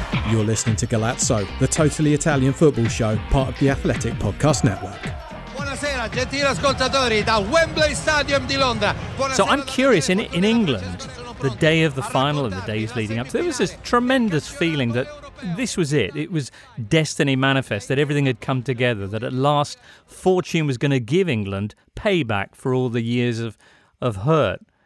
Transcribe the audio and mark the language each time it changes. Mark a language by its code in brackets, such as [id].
[en] You're listening to Galazzo, the totally Italian football show, part of the Athletic Podcast Network. [it] Buonasera, gentili ascoltatori, da Wembley Stadium di Londra. [en] So I'm curious, in England, the day of the final and the days leading up, there was this tremendous feeling that this was it. It was destiny manifest, that everything had come together, that at last fortune was going to give England payback for all the years of hurt.